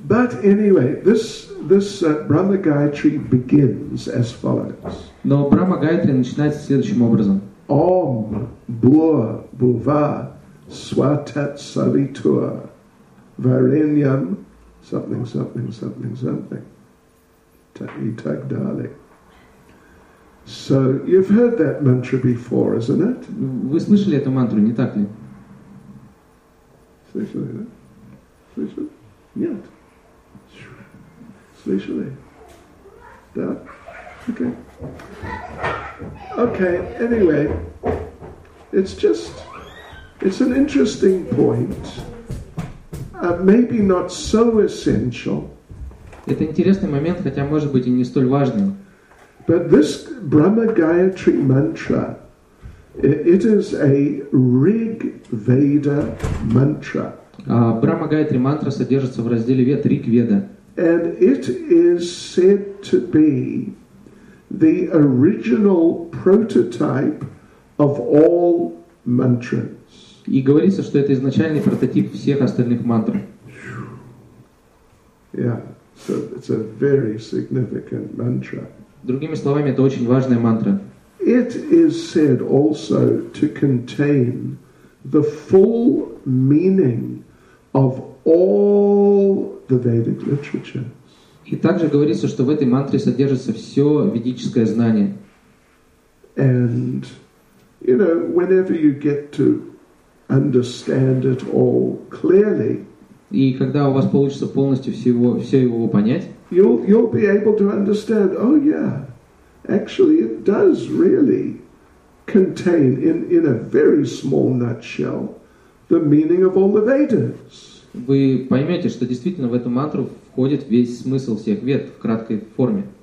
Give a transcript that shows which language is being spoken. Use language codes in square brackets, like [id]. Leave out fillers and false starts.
[en] But anyway, this Brahma Gayatri begins as follows. [ru] Но Брахма Гаятри начинается следующим образом. [sa] Om Bhur Bhuva Svatat Savitur Varenyam [en] something, something, something, something. [ru] Tak dali. [en] So you've heard that mantra before, isn't it? [ru] Вы слышали эту мантру, не так ли? Слышали, да? Слышали? Нет. Слышали? Да? [en] Okay. Okay, anyway, it's an interesting point. Maybe not so essential. [ru] Это интересный момент, хотя может быть и не столь важным. [en] But this Brahma Gayatri mantra, it is a Rig Veda mantra. [ru] Brahma Gayatri mantra содержится в разделе Вед Риг Веда. [en] And it is said to be the original prototype of all mantras. [ru] И говорится, что это изначальный прототип всех остальных мантр. [en] Yeah, so it's a very significant mantra. [ru] Другими словами, это очень важная мантра. [en] It is said also to contain the full meaning of all the Vedic literatures. [ru] И также говорится, что в этой мантре содержится все ведическое знание. [en] And, you know, whenever you get to understand it all clearly, [ru] и когда у вас получится полностью все его понять, [en] you'll be able to understand, oh yeah, actually it does really contain in a very small nutshell the meaning of all the Vedas. [ru] Вы поймете, что действительно в эту мантру входит весь смысл всех вед в краткой форме.